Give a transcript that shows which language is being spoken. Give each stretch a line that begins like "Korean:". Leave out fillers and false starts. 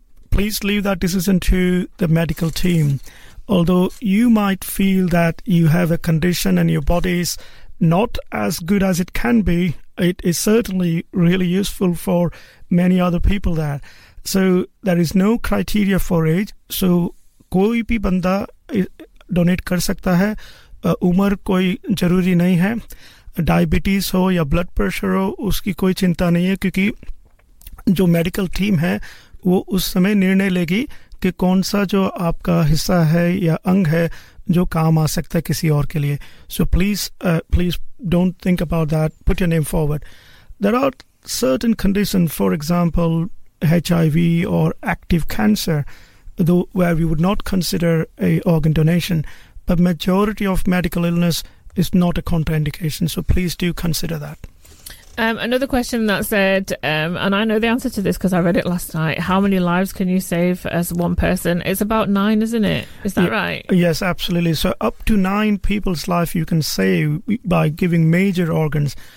English: Please leave that decision to the medical team. Although you might feel that you have a condition and your body is not as good as it can be, it is certainly really useful for many other people there. So there is no criteria for age. So
Hindi: koi bhi banda donate कर सकता है. उम्र कोई जरूरी नहीं है. Diabetes हो या ब्लड प्रेशर हो उसकी कोई चिंता नहीं है, क्योंकि जो मेडिकल टीम है वो उस समय निर्णय लेगी कि कौन सा जो आपका हिस्सा है या अंग है जो काम आ सकता है किसी और के लिए.
English: So please don't think about that. Put your name forward. There are certain condition, for example HIV और active cancer, दो where we would not consider a organ donation, but majority of medical illness is not a contraindication. So please do consider that. Another question that said, and I know the answer to this because I read it last night, how many lives can you save as one person? It's about 9, isn't it? Is that right? Yes, absolutely. So up to 9 people's life you can save by giving major organs.